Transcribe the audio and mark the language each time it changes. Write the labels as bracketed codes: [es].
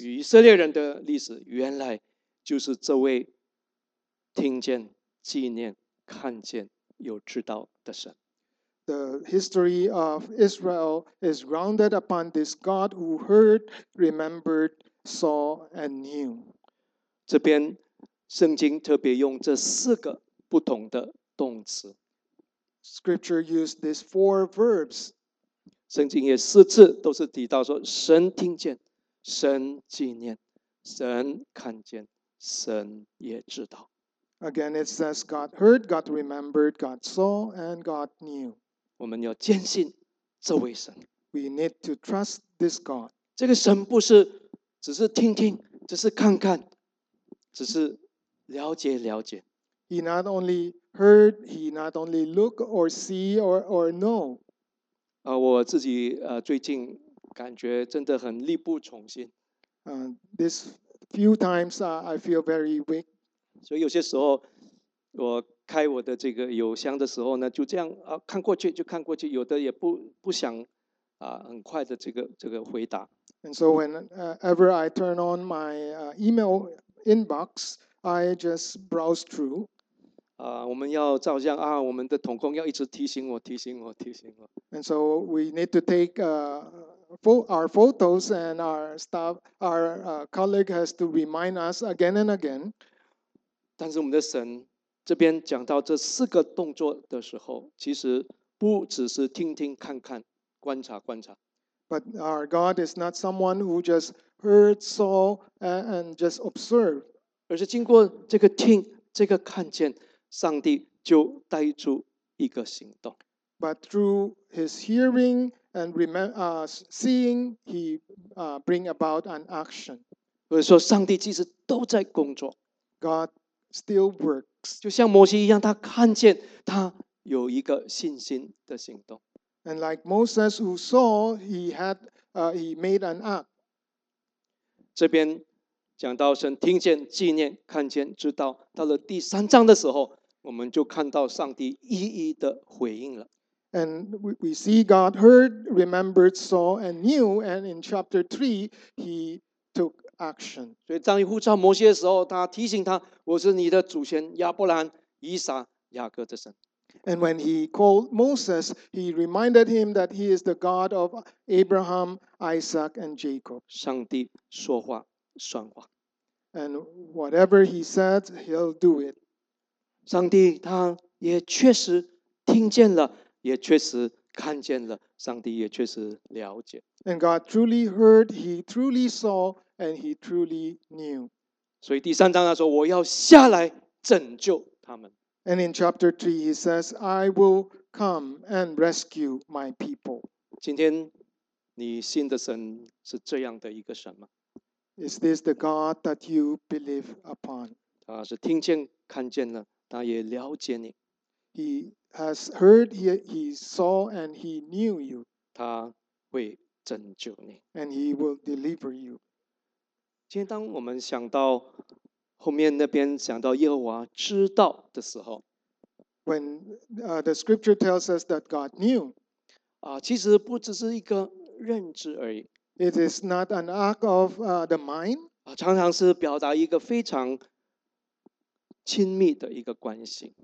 [zh] 与以色列人的历史原来就是这位听见、纪念、看见、有知道的神。 [en] The history of Israel is grounded upon this God who heard, remembered, saw, and knew. [zh] 这边圣经特别用这四个不同的动词。 [en] Scripture used these four verbs. [zh] 圣经也四次都是提到说，神听见，神纪念，神看见，神也知道。 [en] Again, it says God heard, God remembered, God saw, and God knew. [zh] 我们要坚信这位神。 [en] We need to trust this God. [zh] 这个神不是只是听听，只是看看，只是了解了解。 [en] He not only heard, he not only look or see or know. [zh] 我自己最近感觉真的很力不从心。 [en] This few times I feel very weak. [zh] 所以有些时候我开我的这个邮箱的时候呢，就这样看过去就看过去，有的也不想很快的这个回答。 [en] And so whenever I turn on my email inbox, I just browse through. [zh] 我们要照这样啊，我们的同工要一直提醒我，提醒我，提醒我。 [en] And so we need to take our photos, and our staff, our colleague has to remind us again and again. [zh] 但是我们的神这边讲到这四个动作的时候，其实不只是听听看看，观察观察。 [en] But our God is not someone who just heard, saw, and just observed. [zh] 而是经过这个听，这个看见。上帝就带出一个行动。 [en] But through his hearing and seeing, he bring about an action. [zh] 我说上帝其实都在工作。 [en] God still works. [zh] 就像摩西一样，他看见他有一个信心的行动。 [en] And like Moses who saw, he made an act. [zh] 这边讲到神听见、纪念、看见、知道，到了第三章的时候，我们就看到上帝一一的回应了。 [en] And we see God heard, remembered, saw, and knew. And in chapter 3, he took action. [zh] 所以当他呼召摩西的时候，他提醒他：“我是你的祖先亚伯兰、以撒、雅各的神。” [en] And when he called Moses, he reminded him that he is the God of Abraham, Isaac, and Jacob. [zh] 上帝说话算话。 [en] And whatever he said, he'll do it. [zh] 上帝他也确实听见了，也确实看见了，上帝也确实了解。 [en] And God truly heard, he truly saw, and he truly knew. [zh] 所以第三章他说，我要下来拯救他们。 [en] And in chapter 3, he says, I will come and rescue my people. [zh] 今天你信的神是这样的一个神吗？ [en] Is this the God that you believe upon? [zh] 他是听见看见了，他也了解你。 [en] He has heard, he saw, and he knew you. [zh] 他会拯救你。 [en] And he will deliver you. [zh] 今天当我们想到后面那边想到耶和华知道的时候 [en] ，When the scripture tells us that God knew, [zh] 其实不只是一个认知而已。 [en] It is not an act of the mind. [zh] 常常是表达一个非常亲密的一个关系。